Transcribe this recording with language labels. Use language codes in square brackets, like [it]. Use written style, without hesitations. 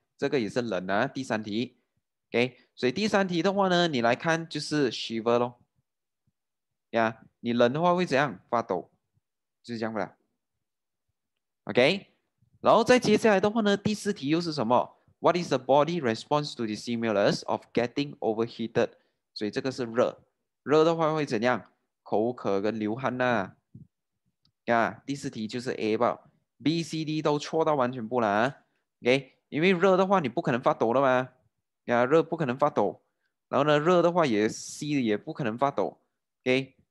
[zh] 这个也是冷啊，第三题。Okay, 所以第三题的话呢，你来看就是 shiver 咯。 Yeah, 你冷的话会怎样？发抖，就是这样吧。 OK, 然后再接下来的话呢，第四题又是什么？ [en] What is the body response to the stimulus of getting overheated? [zh] 所以这个是热，热的话会怎样？口渴跟流汗啊。 Yeah, 第四题就是 A 吧。B、C、D 都错到完全不难 ，OK？因为热的话，你不可能发抖了嘛，呀，热不可能发抖。然后呢，热的话也 C 也不可能发抖 ，OK？